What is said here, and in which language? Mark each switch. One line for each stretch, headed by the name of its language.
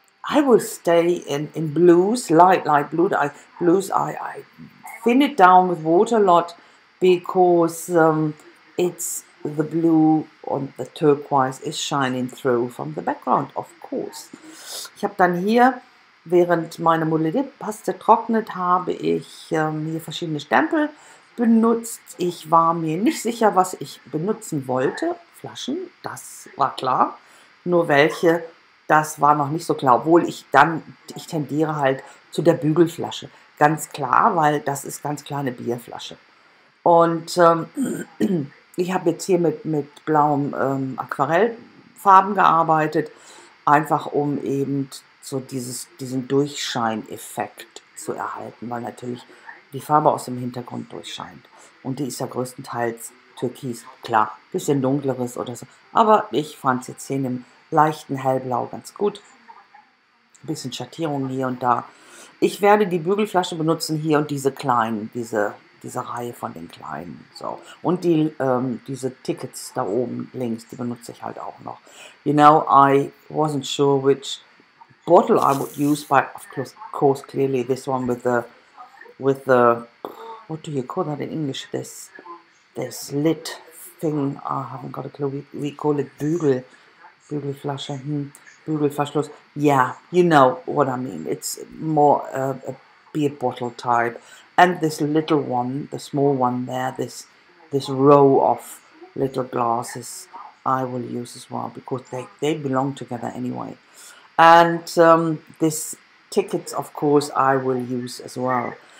English: I will stay in blues, light blue. I thin it down with water a lot, because it's the blue on the turquoise is shining through from the background, of course.
German: Ich habe dann hier, während meine Modellierpaste trocknet, habe ich hier verschiedene Stempel benutzt. Ich war mir nicht sicher, was ich benutzen wollte. Flaschen, das war klar. Nur welche, das war noch nicht so klar. Obwohl ich tendiere halt zu der Bügelflasche. Ganz klar, weil das ist ganz klar eine Bierflasche. Und ich habe jetzt hier mit blauem Aquarellfarben gearbeitet, einfach um eben so diesen Durchscheineffekt zu erhalten, weil natürlich die Farbe aus dem Hintergrund durchscheint. Und die ist ja größtenteils türkis, klar, bisschen dunkleres oder so. Aber ich fand es jetzt hier in einem leichten Hellblau ganz gut. Ein bisschen Schattierung hier und da. Ich werde die Bügelflasche benutzen hier und diese kleinen, diese Reihe von den kleinen. So. Und die, diese Tickets da oben links, die benutze ich halt auch noch.
English: You know, I wasn't sure which bottle I would use, but of course, clearly this one with the, what do you call that in English, this lid thing, I haven't got a clue, we call it Bügelflasche, Bügelverschluss, yeah, you know what I mean, it's more a beer bottle type, and this little one, the small one there, this row of little glasses, I will use as well, because they belong together anyway, and this tickets, of course, I will use as well.